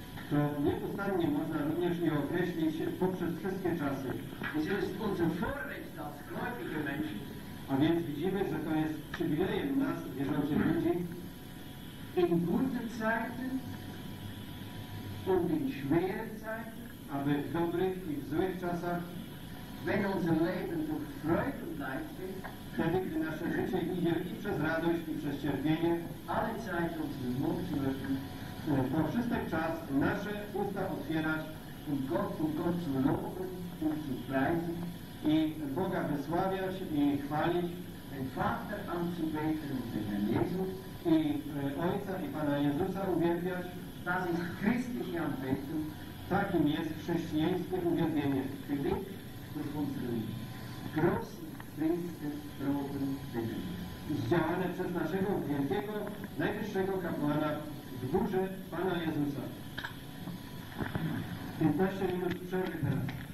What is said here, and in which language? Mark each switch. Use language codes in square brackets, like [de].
[pl] To nieustannie można również nie określić poprzez wszystkie czasy. A więc widzimy, że to jest przywilejem nas, wierzących ludzi. [de] In guten Zeiten und in schweren Zeiten, [pl] aby w dobrych i w złych czasach, [de] wenn unser Leben durch Freude und Leid geht, [pl] wtedy, gdy nasze życie idzie i przez radość, i przez cierpienie, [de] alle Zeit unseren Mund zu öffnen, [pl] po wszystek czas nasze usta otwierać [de] und Gott zu loben und zu preisen, [pl] i Boga wysławiać i chwalić, [de] den Vater anzubeten und den Herrn Jesus, [pl] i Ojca i Pana Jezusa uwielbiać. [de] Das ist christliche Anbetung. [pl] Takim jest chrześcijańskie uwielbienie. [de] Gelingt durch unseren großen Priester Proben Willen. [pl] Zdziałane przez naszego wielkiego, najwyższego kapłana w górze Pana Jezusa. 15 minut przerwy teraz.